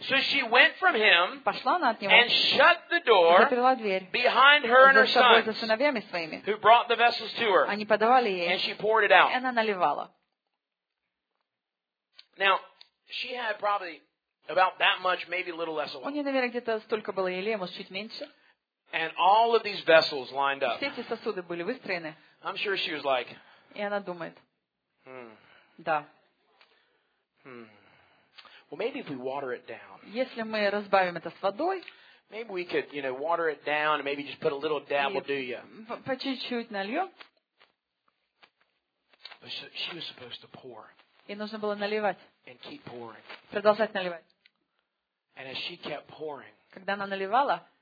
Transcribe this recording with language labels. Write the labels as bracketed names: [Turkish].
[English] So she went from him, [Russian] пошла она от него, [English] and shut the door, [Russian] заприла дверь, [English] behind her and her sons, [Russian] за сыновьями своими, [English] who brought the vessels to her. [Russian] Они подавали ей, [English] and she poured it out. [Russian] И она наливала. [English] Now, she had probably about that much, maybe a little less of one. [Russian] У нее, наверное, где-то столько было елея, может, чуть меньше. [English] And all of these vessels lined up. [Russian] Все эти сосуды были выстроены. [English] I'm sure she was like. [Russian] И она думает. Hmm. Да. Hmm. [English] Well, maybe if we water it down. [Russian] Если мы разбавим это с водой. [English] Maybe we could, you know, water it down and maybe just put a little dab will do you. [Russian] По чуть-чуть нальем. [English] But she was supposed to pour. [Russian] Ей нужно было наливать. [English] And keep pouring. [Russian] Продолжать наливать. [English] And as she kept pouring, [Russian] когда она наливала,